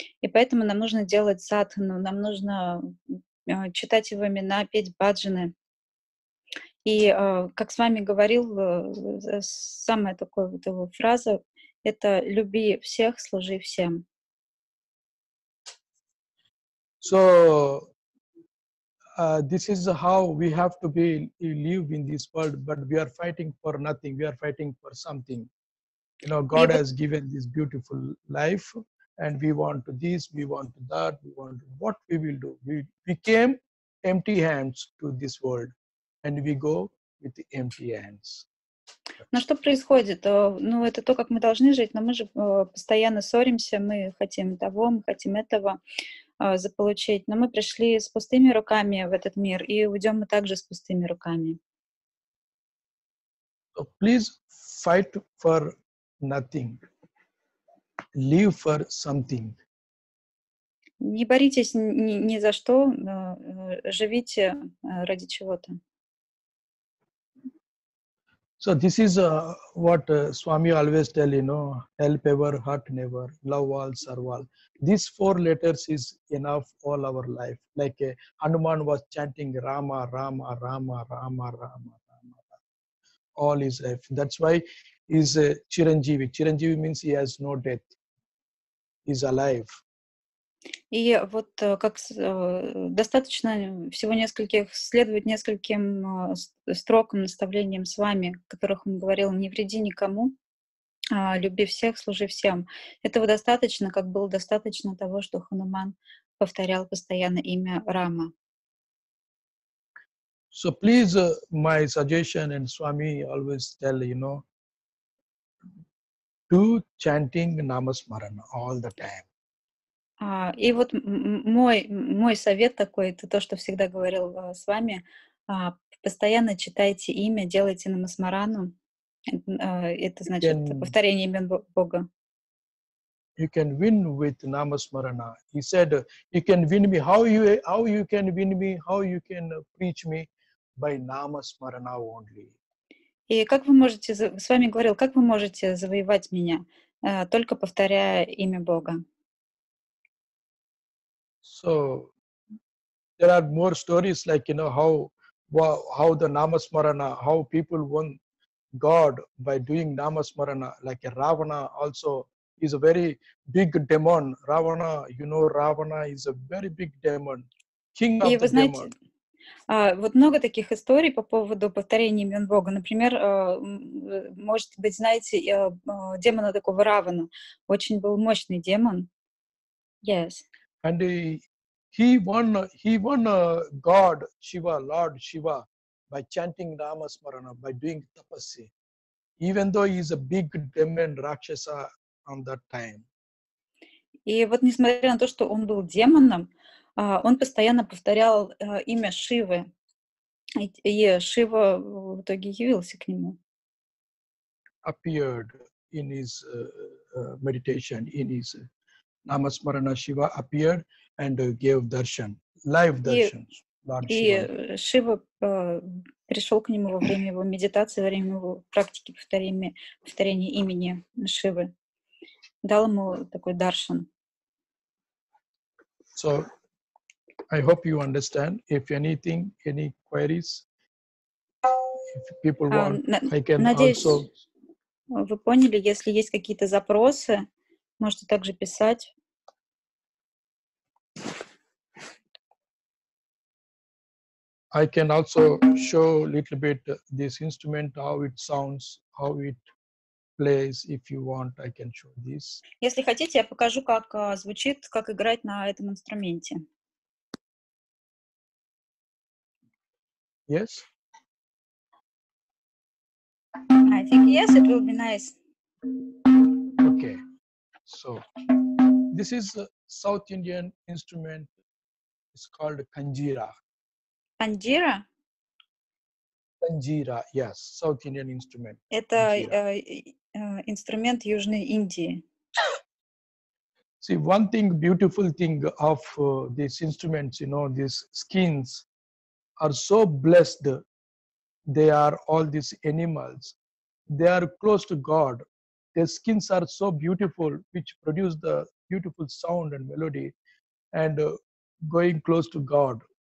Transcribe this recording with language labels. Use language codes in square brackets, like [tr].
[ru] И поэтому нам нужно делать садхану, нам нужно читать его имена, петь бхаджаны. И, как с вами говорил, самая такая вот его фраза — это «люби всех, служи всем». [en] So... this is how we have to be live in this world, but we are fighting for nothing. We are fighting for something. You know, God has given this beautiful life, and we want this, we want that, we want what we will do. We came empty hands to this world, and we go with the empty hands. [ru] Но что происходит? Ну, это то, как мы должны жить, но мы же постоянно ссоримся, мы хотим того, мы хотим этого заполучить. Но мы пришли с пустыми руками в этот мир, и уйдем мы также с пустыми руками. [en] So please fight for nothing. Live for something. [ru] Не боритесь ни за что, живите ради чего-то. [en] So this is what Swami always tell, you know, help ever, hurt never, love all, serve all. These four letters is enough all our life. Like Hanuman was chanting Rama, Rama, Rama, Rama, Rama, Rama, Rama, all his life. That's why he's Chiranjeevi. Chiranjeevi means he has no death. He's alive. [ru] И вот как достаточно всего нескольких, следовать нескольким строкам, наставлениям с вами, о которых он говорил, не вреди никому, люби всех, служи всем. Этого достаточно, как было достаточно того, что Хануман повторял постоянно имя Рама. [en] So please, my suggestion, and Swami always tell, you know, do chanting Namasmaran all the time. [ru] И вот мой совет такой, это то, что всегда говорил с вами, постоянно читайте имя, делайте намасмарану, это значит повторение имен Бога. [en] You can win with namasmarana. He said, you can win me. How you can win me? How you can preach me? By namasmarana only. [ru] И как вы можете, с вами говорил, как вы можете завоевать меня, только повторяя имя Бога? [en] So there are more stories, like, you know, how the namasmarana, how people won God by doing namasmarana. Like Ravana also is a very big demon. Ravana, you know, Ravana is a very big demon, king of the demon. [ru] Вот много таких историй по поводу повторения имен Бога. Например, может быть, знаете демона такого Равана? Очень был мощный демон. Yes. [en] And he won God Shiva, Lord Shiva, by chanting Namasmarana, by doing tapasya, even though he is a big demon rakshasa on that time. [ru] И вот несмотря на то, что он был демоном, он постоянно повторял имя Шивы, и Шива в итоге явился к нему. [en] Appeared in his meditation, in his Namasmarana, Shiva appeared and gave darshan, live darshans. [ru] И Шива пришел к нему во время его медитации, во время его практики повторения имени Шивы, дал ему такой даршан. [en] So I hope you understand. If anything, any queries, if people want, I can [ru] надеюсь, [en] also. [ru] Вы поняли, если есть какие-то запросы, можете также писать. [en] I can also show a little bit this instrument, how it sounds, how it plays. If you want, I can show this. [ru] Если хотите, я покажу, как звучит, как играть на этом инструменте. [en] Yes? I think yes, it will be nice. Okay. So, this is a South Indian instrument. It's called kanjira. [ru] Панджира? [en] Панджира, yes, South Indian instrument. [ru] Это инструмент Южной Индии. [en] See, one thing, beautiful thing of these instruments, you know, these skins are so blessed. They are all these animals. They are close to God. Their skins are so beautiful, which produce the beautiful sound and melody and going close to God.